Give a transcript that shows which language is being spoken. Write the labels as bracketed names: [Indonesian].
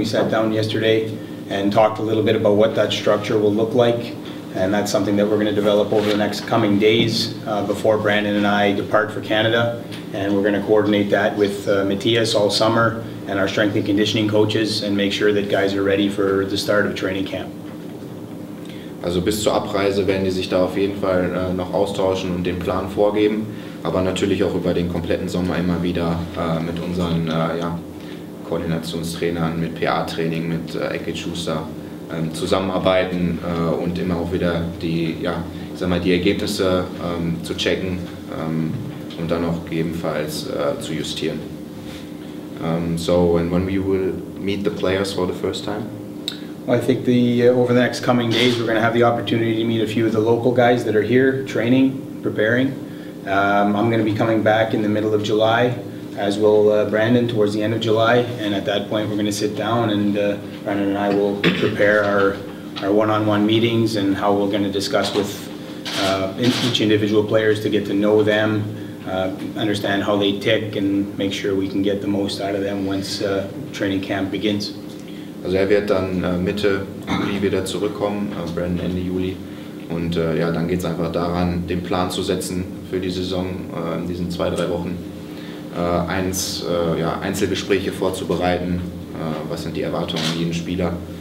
[English] We sat down yesterday and talked a little bit about what that structure will look like, and that's something that we're going to develop over the next coming days before Brandon and I depart for Canada. And we're going to coordinate that with Matthias all summer and our strength and conditioning coaches and make sure that guys are ready for the start of training camp. [German] Also bis zur Abreise werden die sich da auf jeden Fall noch austauschen und den Plan vorgeben, aber natürlich auch über den kompletten Sommer immer wieder mit unseren Koordinationstrainern, mit PA-Training, mit Ecke Schuster zusammenarbeiten und immer auch wieder die Ergebnisse zu checken und dann auch gegebenenfalls zu justieren. [English] So, and when we will meet the players for the first time? I think over the next coming days we're going to have the opportunity to meet a few of the local guys that are here training, preparing. I'm going to be coming back in the middle of July, as will Brandon towards the end of July, and at that point we're going to sit down and Brandon and I will prepare our one-on-one meetings and how we're going to discuss with each individual players to get to know them, understand how they tick and make sure we can get the most out of them once training camp begins. [German] Also er wird dann Mitte Juli wieder zurückkommen, Brandon Ende Juli. Und dann geht es einfach daran, den Plan zu setzen für die Saison in diesen 2-3 Wochen. Einzelgespräche vorzubereiten, was sind die Erwartungen an jeden Spieler.